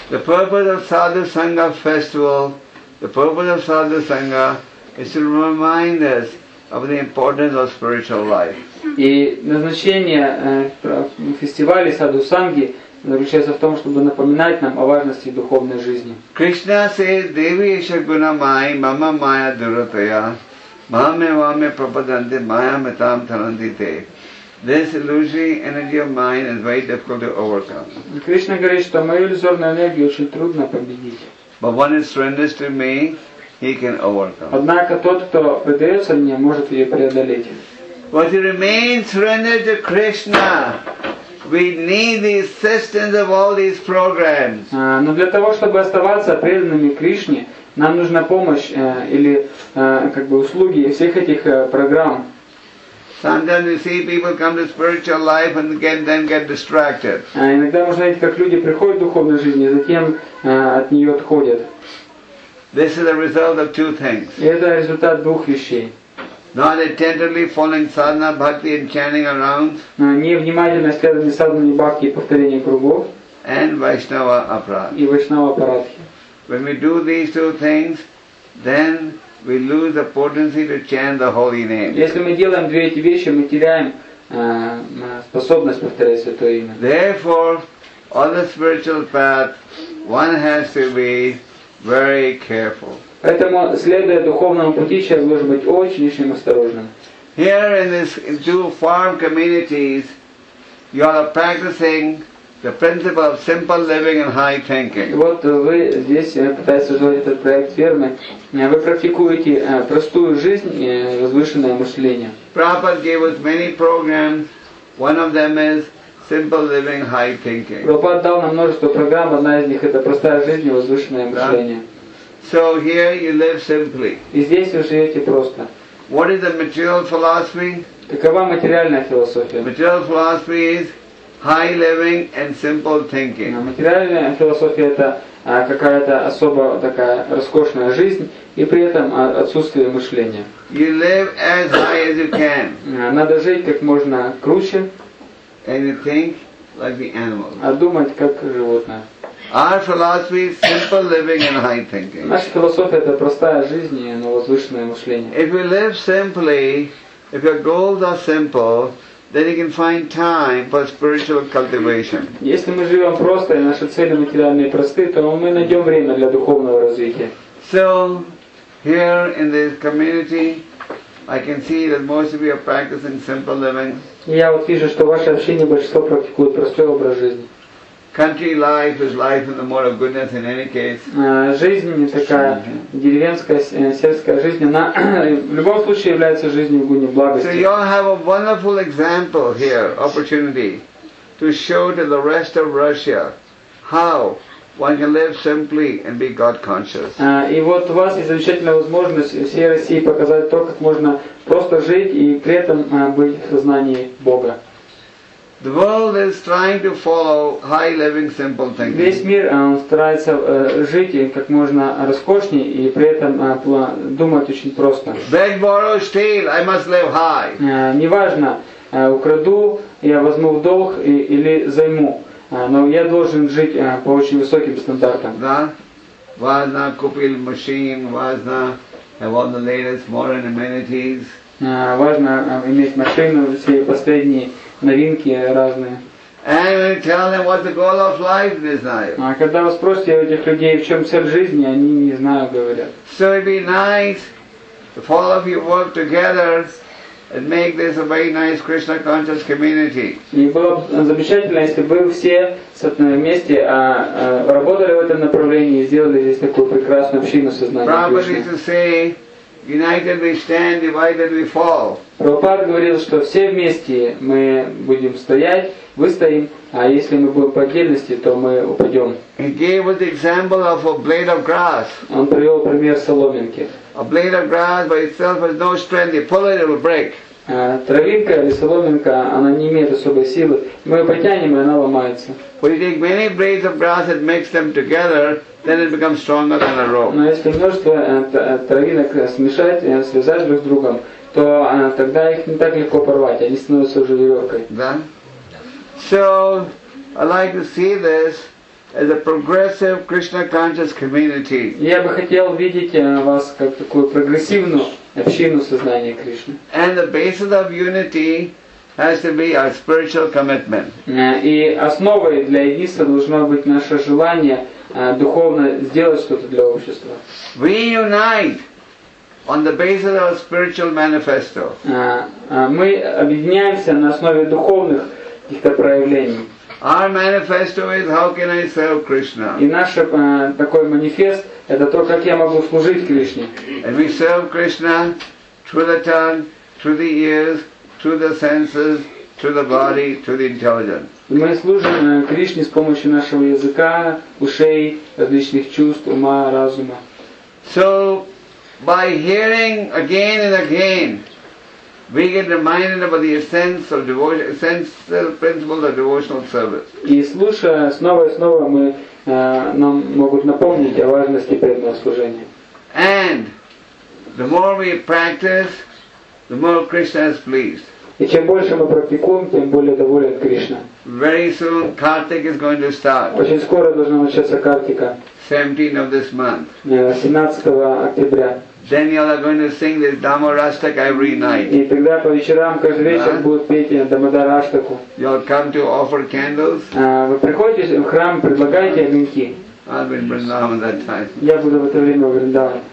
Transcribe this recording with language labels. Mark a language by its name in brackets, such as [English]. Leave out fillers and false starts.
[English] The purpose of Sadhu Sangha festival, the purpose of Sadhu Sangha is to remind us of the importance of spiritual life. [Russian] И назначение фестиваля Саду Санги заключается в том, чтобы напоминать нам о важности духовной жизни. [Sanskrit] Кришна says, Деви еша гуна май, мама майя дуратая, маме ваме пропаданте, майя метам таранте. [English] This illusory energy of mind is very difficult to overcome. [Russian] Кришна говорит, что мою иллюзорную энергию очень трудно победить. [English] But one is surrendered to me, he can overcome. [Russian] Однако тот, кто предается мне, может ее преодолеть. [English] But to remain surrendered to Krishna, we need the assistance of all these programs. [Russian] Но для того, чтобы оставаться преданными Кришне, нам нужна помощь или как бы услуги всех этих программ. [English] Sometimes you see people come to spiritual life and then get distracted. [Russian] Иногда можно видеть, как люди приходят в духовную жизнь, и затем от нее отходят. [English] This is a result of two things. [Russian] И это результат двух вещей. [English] Not attentively following sadhana, bhakti and chanting around. [Russian] Невнимательно следование садхане, бхакти и повторение кругов. [English] And Vaishnava aparadhi. [Russian] И Vaishnava aparadhi. [English] When we do these two things, then we lose the potency to chant the holy name. [Russian] Если мы делаем две эти вещи, мы теряем способность повторять святое имя. [English] Therefore, on the spiritual path, one has to be very careful. [Russian] Поэтому, следуя духовному пути, человек должен быть очень осторожным. [English] Here in these two farm communities, you are practicing the principle of simple living and high thinking. [Russian] Вот вы здесь пытаетесь создать этот проект фермы. Вы практикуете простую жизнь и возвышенное мышление. [English] Prabhupada gave us many programs. One of them is simple living, high thinking. [Russian] Прабхупада дал нам множество программ. Одна из них — это простая жизнь и возвышенное мышление. [English] So here you live simply. [Russian] И здесь вы живете просто. [English] What is the material philosophy? [Russian] Какова материальная философия? [English] Material philosophy is high living and simple thinking. [Russian] Материальная философия — это какая-то особо такая роскошная жизнь и при этом отсутствие мышления. [English] You live as high as you can. [Russian] Надо жить как можно круче. [English] And you think like the animals. [Russian] А думать как животное. [English] Our philosophy is simple living and high thinking. [Russian] Наша философия — это простая жизнь, но возвышенное мышление. [English] If you live simply, if your goals are simple, then you can find time for spiritual cultivation. [Russian] Если мы живем просто и наши цели материальные и просты, то мы найдем время для духовного развития. [English] So, here in this community, I can see that most of you are practicing simple living. [Russian] Я вот вижу, что ваше общение большинство практикует простой образ жизни. [English] Country life is life in the mode of goodness in any case. [Russian] Жизнь такая деревенская, сельская жизнь, она в любом случае является жизнью в гуне, благости. [English] So you all have a wonderful example here, opportunity to show to the rest of Russia how one can live simply and be God conscious. [Russian] И вот у вас есть замечательная возможность всей России показать то, как можно просто жить и при этом быть в сознании Бога. [English] The world is trying to follow high living, simple thinking. [Russian] Весь мир старается жить как можно роскошнее и при этом думать очень просто. [English] Beg, borrow, steal, I must live high. [Russian] Неважно, украду, я возьму в долг или займу, но я должен жить по очень высоким стандартам. Да, важно купил машину, важно [English] have all the latest modern amenities. [Russian] Важно иметь машину, все последние новинки разные. [English] And we tell them what the goal of life is. [Russian] Когда вы спросите этих людей, в чем цель жизни, они не знают, говорят. [English] So it'd be nice if all of you work together and make this a very nice Krishna conscious community. [Russian] И было бы замечательно, если бы вы все вместе работали в этом направлении и сделали здесь такую прекрасную общину сознания. [English] Probably to say, united we stand, divided we fall. [Russian] Прабхупада говорил, что все вместе мы будем стоять, выстоим, а если мы будем по отдельности, то мы упадем. [English] He gave us the example of a blade of grass. [Russian] Он привел пример соломинки. [English] A blade of grass by itself has no strength. You pull it, it will break. [Russian] Травинка или соломинка, она не имеет особой силы. Мы ее потянем, и она ломается. [English] When you take many blades of grass and mix them together, then it becomes stronger than a rope. [Russian] Но если множество травинок смешать и связать друг с другом, то тогда их не так легко порвать, они становятся уже веревкой. [English] Да. So I like to see this as a progressive Krishna conscious community. [Russian] Я бы хотел видеть вас как такую прогрессивную общину сознания Кришны. [English] And the basis of unity has to be our spiritual commitment. [Russian] И основой для единства должно быть наше желание духовно сделать что-то для общества. [English] We unite on the basis of a spiritual manifesto. [Russian] Мы объединяемся на основе духовных каких-то проявлений. [English] Our manifesto is how can I serve Krishna? [Russian] И наш такой манифест — это то, как я могу служить Кришне. [English] And we serve Krishna through the tongue, through the ears, through the senses, through the body, through the intelligence. [Russian] Мы служим Кришне с помощью нашего языка, ушей, различных чувств, ума, разума. [English] So by hearing again and again, we get reminded about the essence of devotion, essential principle of devotional service. [Russian] И слушая снова и снова, мы нам могут напомнить о важности преданного служения. [English] And the more we practice, the more Krishna is pleased. [Russian] И чем больше мы практикуем, тем более доволен Кришна. [English] Very soon Kartik is going to start. [Russian] Очень скоро должна начаться Картика. [English] 17th of this month. [Russian] 17 октября. [English] Then you all are going to sing this Dhammarashtak every night. [Russian] И тогда по вечерам каждый вечер будут петь Дамодараштаку. [English] You all come to offer candles. [Russian] Вы приходите в храм, предлагаете огоньки. [English] I'll be in Vrindavan that time. [Russian] Я буду в это время в Вриндаване.